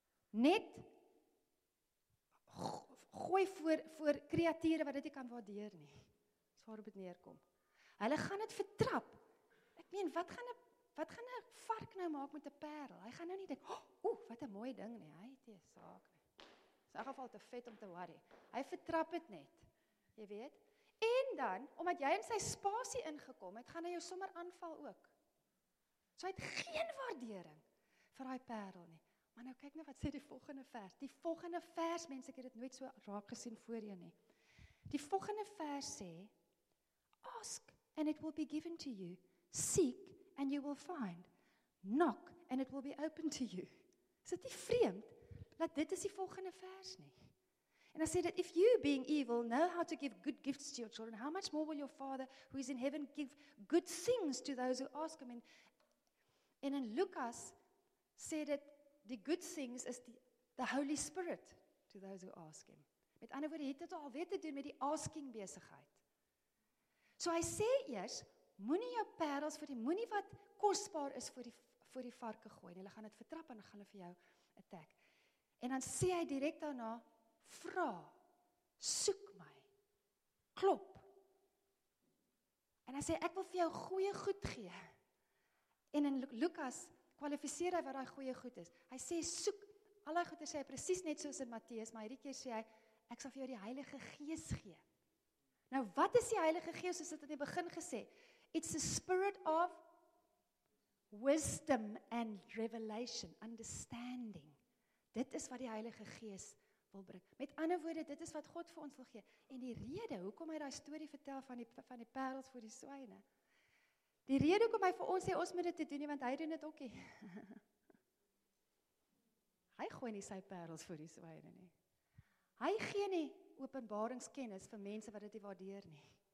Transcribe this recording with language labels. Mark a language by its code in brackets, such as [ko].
[af] Net gooi voor kreature wat dit nie kan waardeer nie. Dis waarop dit neerkom. Hulle gaan dit vertrap. Ek meen, wat gaan 'n vark nou maak met 'n parel? Hy gaan nou nie dink, wat 'n mooi ding nie. Hy het 'n saak. In elk geval te vet om te worry. Hy vertrap het net, jy weet. En dan, omdat jy in sy spasie ingekom het, gaan hy jou sommer aanval ook. So hy het geen waardering vir hy parel nie. Maar nou kyk nou wat sê die volgende vers. Die volgende vers, mense, ek het dit nooit so raak gesien voor jou nie. Die volgende vers sê, [en] ask and it will be given to you. Seek and you will find. Knock and it will be opened to you. [af] Is dit nie vreemd? Dat dit is die volgende vers nie. En hy sê dat, [en] if you being evil know how to give good gifts to your children, how much more will your father who is in heaven give good things to those who ask him? [af] En in Lukas sê dit, die [en] good things is the Holy Spirit to those who ask him. [af] Met ander woorde, het dit al weer te doen met die asking besigheid. So hy sê eers, moenie jou parels vir die, moenie wat kostbaar is vir die varke gooi, en hulle gaan dit vertrap en gaan hulle vir jou attack. En dan sê hy direct daarna, vra, soek my, klop. En hy sê, ek wil vir jou goeie goed gee. En in Lukas kwalificeer hy wat hy goeie goed is. Hy sê, soek, al die goeie sê hy precies net soos in Matteus, maar hierdie keer sê hy, ek sal vir jou die Heilige Gees gee. Nou wat is die Heilige Gees, soos dit in die begin gesê? [en] It's the spirit of wisdom and revelation, understanding. [af] Dit is wat die Heilige Gees wil bring. Met ander woorde, dit is wat God vir ons wil gee. En die rede, hoekom hy die story vertel van die parels voor die swyne, die rede hoekom hy vir ons sê, ons moet dit te doen nie, want hy doen dit ook nie. Hy gooi nie sy parels voor die swyne nie. Hy gee nie openbaringskennis vir mense wat dit nie waardeer nie.